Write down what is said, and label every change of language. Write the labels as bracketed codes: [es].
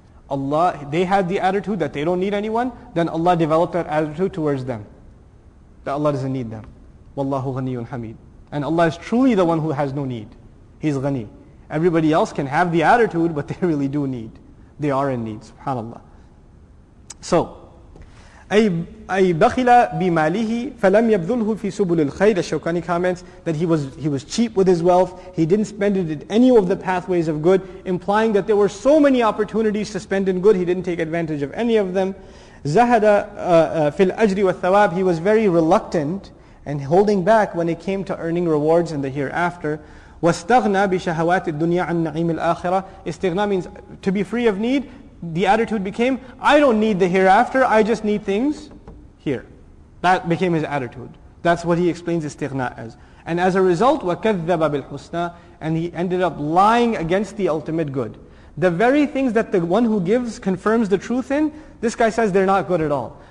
[en] Allah, they had the attitude that they don't need anyone, then Allah developed that attitude towards them. That Allah doesn't need them. [ar] وَاللَّهُ غَنِيٌّ حَمِيدٌ. [en] And Allah is truly the one who has no need. He's ghani. Everybody else can have the attitude, but they really do need. They are in need, subhanAllah. [ar] So, أي بخل بماله فلم يبذله في سبل الخير. [en] Ash-Shawkani comments that he was cheap with his wealth. He didn't spend it in any of the pathways of good, implying that there were so many opportunities to spend in good. He didn't take advantage of any of them. [ar] زهد في الأجر والثواب. [en] He was very reluctant and holding back when it came to earning rewards in the hereafter. [ar] واستغنى بشهوات الدنيا عن نعيم الآخرة. [en] استغنى means to be free of need. The attitude became, I don't need the hereafter, I just need things here. That became his attitude. That's what he explains istighna as. And as a result, [ar] وَكَذَّبَ بِالْحُسْنَى. [en] And he ended up lying against the ultimate good. The very things that the one who gives confirms the truth in, this guy says they're not good at all.